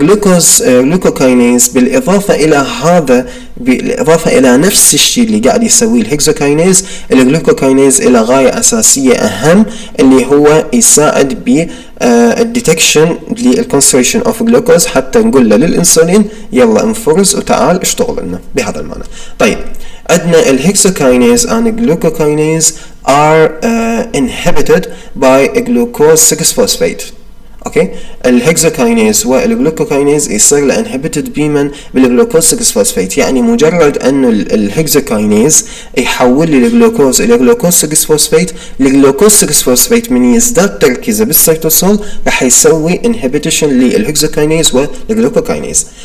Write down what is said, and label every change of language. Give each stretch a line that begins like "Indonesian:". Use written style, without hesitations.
Arabic: الجلوكوكينيز بالإضافة إلى هذا, بالإضافة إلى نفس الشيء اللي قاعد يسويه الهكسوكينيز, الجلوكوكينيز إلى غاية أساسية أهم اللي هو يساعد ب الديتكشن للكونستريشن اوف جلوكوز حتى نقول له للإنسولين يلا انفرز وتعال اشتغل لنا بهذا المعنى. طيب عندنا
English: الهكسوكينيز and glucokinase are inhibited by glucose 6 phosphate.
Arabic: اوكي الهكسوكينيز والجلوكوكينيز يصير له انهبيتد بيمن بالجلوكوز 6 فوسفيت, يعني مجرد انه الهكسوكينيز يحول لي الجلوكوز الى جلوكوز 6 فوسفيت, الجلوكوز 6 فوسفيت من يزداد تركيزه بالسيتوسول راح يسوي انهبيتشن للهكسوكينيز والجلوكوكينيز.